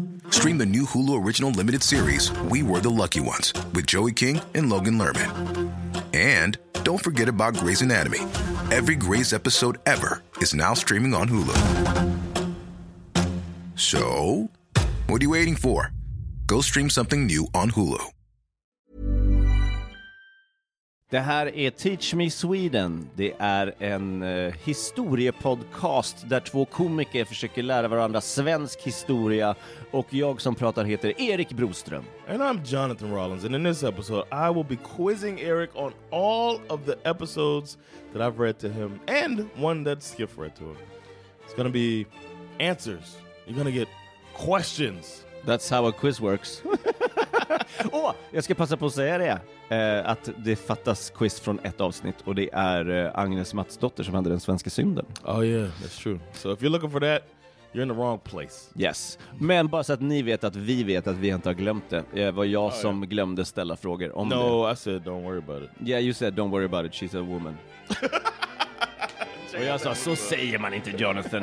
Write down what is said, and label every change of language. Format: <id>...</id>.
<en>Stream the new Hulu original limited series, We Were the Lucky Ones, with Joey King and Logan Lerman. And don't forget about Grey's Anatomy. Every Grey's episode ever is now streaming on Hulu. So, what are you waiting for? Go stream something new on Hulu.</en> <sv>Det här är Teach Me Sweden. Det är en historiepodcast där två komiker försöker lära varandra svensk historia. Och jag som pratar heter Erik Broström.</sv> <en>And I'm Jonathan Rollins. And in this episode I will be quizzing Eric on all of the episodes that I've read to him. And one that Skiff read to him. It's gonna be answers. You're gonna get questions. That's how a quiz works.</en> <sv>Åh, jag ska passa på att säga det. Att det fattas quiz från ett avsnitt. Och det är Agnes Matsdotter som hade den svenska synden.</sv> <en>Oh yeah, that's true. So if you're looking for that, you're in the wrong place. Yes.</en> <sv>Men bara så att ni vet att vi inte har glömt det. Det var jag som glömde ställa frågor om</sv> <en>no,</en> <sv>det.</sv> <en>No, I said don't worry about it. Yeah, you said don't worry about it. She's a woman.</en> <sv>Och jag sa, så säger man inte, Jonathan.</sv>